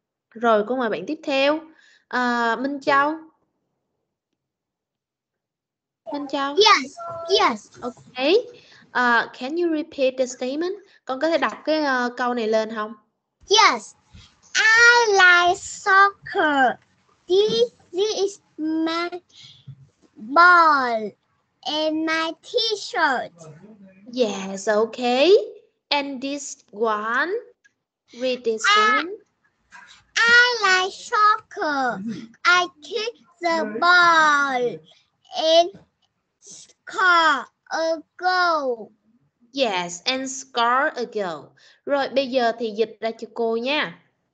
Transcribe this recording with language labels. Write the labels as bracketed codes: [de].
[vi] Rồi, cô mời bạn tiếp theo. À, Minh Châu. Minh Châu. [en] Yes, yes. Okay. Can you repeat the statement? [vi] Con có thể đọc cái câu này lên không? [en] Yes. I like soccer. This is my ball and my t-shirt. Yes, okay. And this one, read this one. I like soccer. I kick the ball and score a goal. Yes, and score a goal. [vi] Rồi, bây giờ thì dịch ra cho cô nha.